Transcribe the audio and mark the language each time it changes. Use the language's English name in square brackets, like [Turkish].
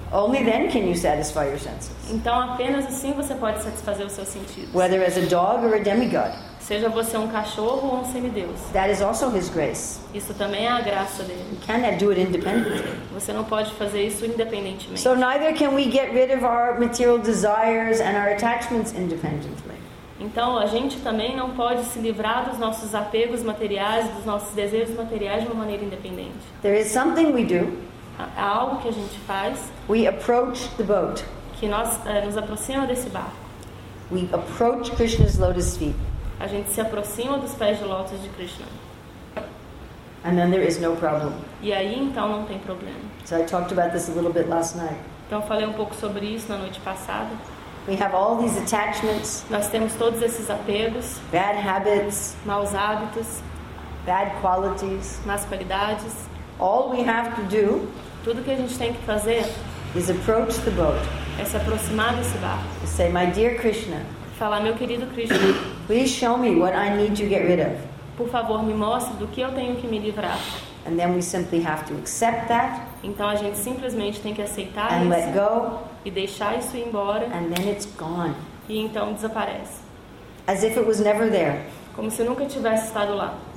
[English] only then can you satisfy your senses. [Portuguese] Então apenas assim você pode satisfazer os seus sentidos. [English] Whether as a dog or a demigod. [Portuguese] Seja você um cachorro ou um semideus. [English] That is also his grace. [Portuguese] Isso também é a graça dele. [English] You cannot do it independently. [Portuguese] Você não pode fazer isso independentemente. [English] So neither can we get rid of our material desires and our attachments independently. [Portuguese] Então a gente também não pode se livrar dos nossos apegos materiais, dos nossos desejos materiais de uma maneira independente. [English] There is something we do. [Portuguese] Há algo que a gente faz. [English] We approach the boat. [Portuguese] Que nós nos aproximamos desse barco. [English] We approach Krishna's lotus feet. [Portuguese] A gente se aproxima dos pés de lótus de Krishna. [English] And then there is no problem. [Portuguese] E aí então não tem problema. [English] So I talked about this a little bit last night. [Portuguese] Então eu falei um pouco sobre isso na noite passada. [English] We have all these attachments. [Portuguese] Nós temos todos esses apegos. [English] Bad habits. [Portuguese] Maus hábitos. [English] Bad qualities. [Portuguese] Más qualidades. [English] All we have to do. [Portuguese] Tudo que a gente tem que fazer. [English] Is approach the boat. [Portuguese] É se aproximar desse barco. [English] Say, my dear Krishna. [Portuguese] Falar, meu querido Krishna. [English] Please show me what I need to get rid of. [Portuguese] Por favor, me mostre do que eu tenho que me livrar. [English] And then we simply have to accept that. [Portuguese] Então a gente simplesmente tem que aceitar [English] and [Portuguese] isso. [English] Let go. [Portuguese] E deixar isso ir embora. [English] And then it's gone. [Portuguese] E então desaparece. [English] As if it was never there. [Portuguese] Como se nunca tivesse estado lá.